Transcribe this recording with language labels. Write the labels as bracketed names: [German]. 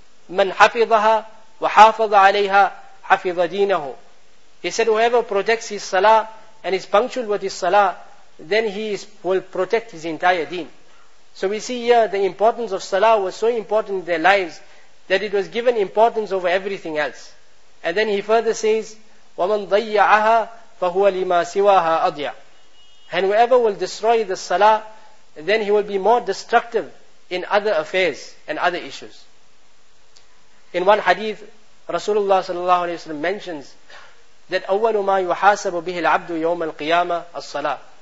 [Arabic] مَنْ حَفِظَهَا وَحَافَظَ عَلَيْهَا حَفِظَ دِينَهُ. [English] He said, whoever protects his salah and is punctual with his salah, then he will protect his entire deen. So we see here the importance of salah was so important in their lives that it was given importance over everything else. And then he further says, [Arabic] وَمَنْ ضَيَّعَهَا فَهُوَ لِمَا سِوَاهَا أَضْيَعَ. [English] And whoever will destroy the salah, then he will be more destructive in other affairs and other issues. In one hadith, Rasulullah sallallahu alayhi wa sallam mentions that [Arabic] أول ما يحاسب به العبد يوم القيامة الصلاة.